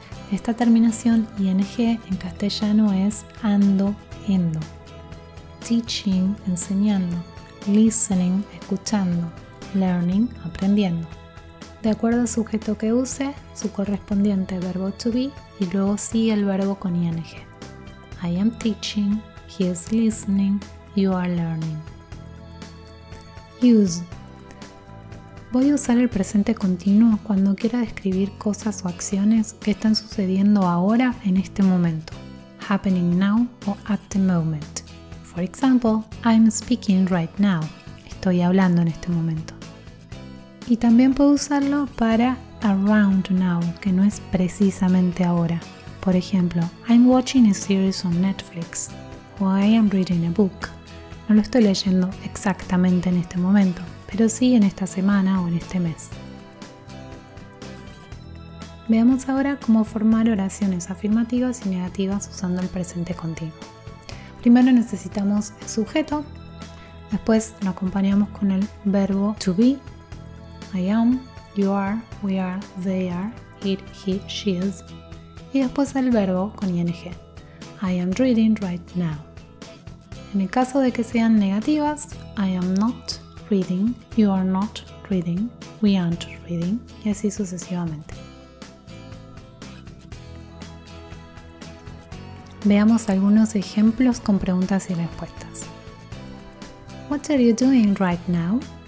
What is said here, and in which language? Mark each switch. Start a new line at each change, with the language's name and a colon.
Spanish: Esta terminación ing en castellano es ando, endo. Teaching, enseñando. Listening, escuchando. Learning, aprendiendo. De acuerdo al sujeto que use, su correspondiente verbo to be y luego sigue el verbo con ing.
English: I am teaching, he is listening, you are learning. Use.
Spanish: Voy a usar el presente continuo cuando quiera describir cosas o acciones que están sucediendo ahora en este momento.
English: Happening now o at the moment. For example, I'm speaking right now.
Spanish: Estoy hablando en este momento. Y también puedo usarlo para around now, que no es precisamente ahora. Por ejemplo,
English: I'm watching a series on Netflix. O I am reading a book.
Spanish: No lo estoy leyendo exactamente en este momento, pero sí en esta semana o en este mes. Veamos ahora cómo formar oraciones afirmativas y negativas usando el presente continuo. Primero necesitamos el sujeto, después lo acompañamos con el verbo to be,
English: I am, you are, we are, they are, it, he, she is,
Spanish: y después el verbo con ing,
English: I am reading right now.
Spanish: En el caso de que sean negativas,
English: I am not reading, you are not reading, we aren't reading,
Spanish: y así sucesivamente. Veamos algunos ejemplos con preguntas y respuestas.
English: What are you doing right now?